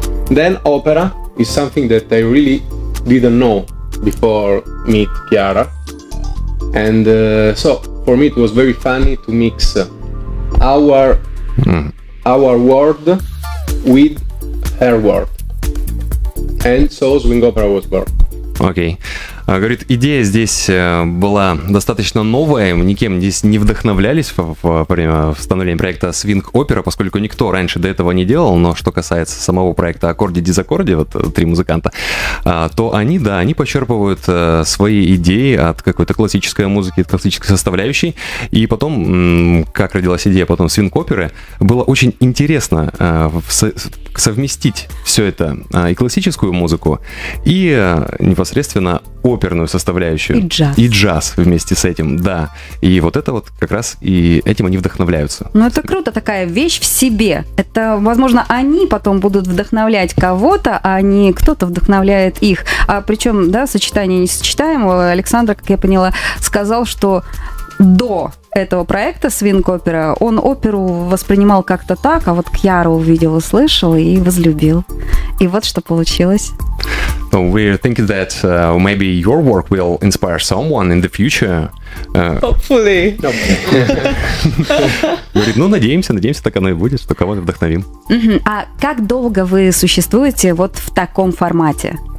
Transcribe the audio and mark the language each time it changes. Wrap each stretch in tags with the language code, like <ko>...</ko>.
<en>Then opera is something that I really didn't know before meet Chiara, and so for me it was very funny to mix our world with her world, and so swing opera was born. Okay.</en> <ru>Говорит, идея здесь была достаточно новая, мы никем здесь не вдохновлялись во время становления проекта Swing Opera, поскольку никто раньше до этого не делал, но что касается самого проекта Accordi Disaccordi, вот три музыканта, то они, да, они почерпывают свои идеи от какой-то классической музыки, от классической составляющей, и потом, как родилась идея потом Swing Opera, было очень интересно совместить все это, и классическую музыку, и непосредственно оперную составляющую. И джаз. И джаз вместе с этим, да. И вот это вот как раз и этим они вдохновляются. Ну, это круто, такая вещь в себе. Это, возможно, они потом будут вдохновлять кого-то, а не кто-то вдохновляет их. А причем, да, сочетание несочетаемого. Александр, как я поняла, сказал, что до этого проекта Swing Opera он оперу воспринимал как-то так, а вот Кьяру увидел, услышал и возлюбил. И вот что получилось.</ru> <en>So we're thinking that maybe your work will inspire someone in the future. Hopefully.</en> <ru>Говорит, ну, надеемся, так оно и будет, что кого-то вдохновим. А как долго вы существуете вот в таком формате?</ru>